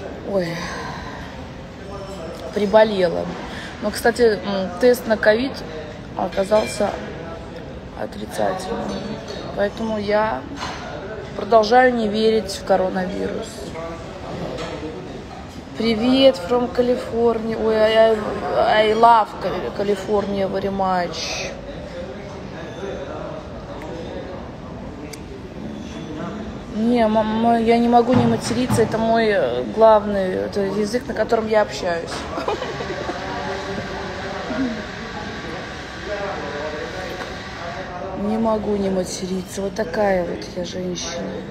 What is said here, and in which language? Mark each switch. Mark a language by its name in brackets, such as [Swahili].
[Russian] Ой. Приболела. Ну, кстати, тест на ковид оказался... отрицательно. Поэтому я продолжаю не верить в коронавирус. Привет [English] from California. Ой, I love California very much. [Russian] Не, я не могу не материться. Это мой главный, это язык, на котором я общаюсь. Не могу не материться. Вот такая вот я женщина.